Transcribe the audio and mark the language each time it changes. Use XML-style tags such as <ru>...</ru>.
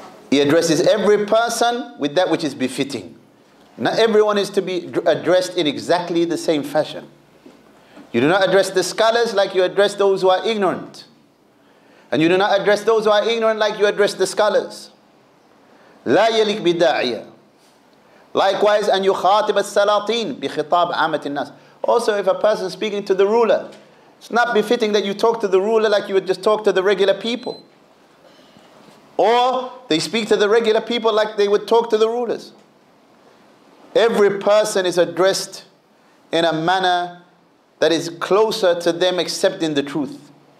<en>He addresses every person with that which is befitting. Not everyone is to be addressed in exactly the same fashion. You do not address the scholars like you address those who are ignorant. And you do not address those who are ignorant like you address the scholars.</en> <ar>لا يليق بداعية. Likewise, أن يخاطب السلاطين بخطاب عامة الناس.</ar> <en>Also, if a person is speaking to the ruler, it's not befitting that you talk to the ruler like you would just talk to the regular people. Or they speak to the regular people like they would talk to the rulers. Every person is addressed in a manner that is closer to them accepting the truth.</en>